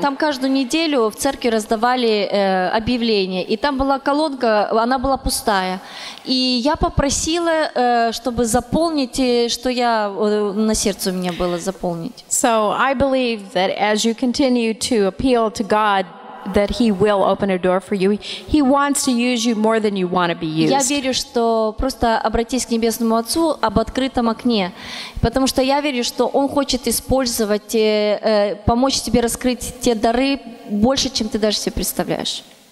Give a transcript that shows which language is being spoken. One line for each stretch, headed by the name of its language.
Russian: Там каждую неделю в церкви раздавали объявления, и там была колонка, она была пустая. И я попросила, чтобы заполнить, что я на сердце у меня было заполнить.
English: So I believe that as you continue to appeal to God that he will open a door for you. He wants to use you more than you want to be used.
Russian: Я верю, что просто обратись к небесному Отцу об открытом окне, потому что я верю, что он хочет использовать помочь тебе раскрыть те дары больше, чем ты даже себе представляешь.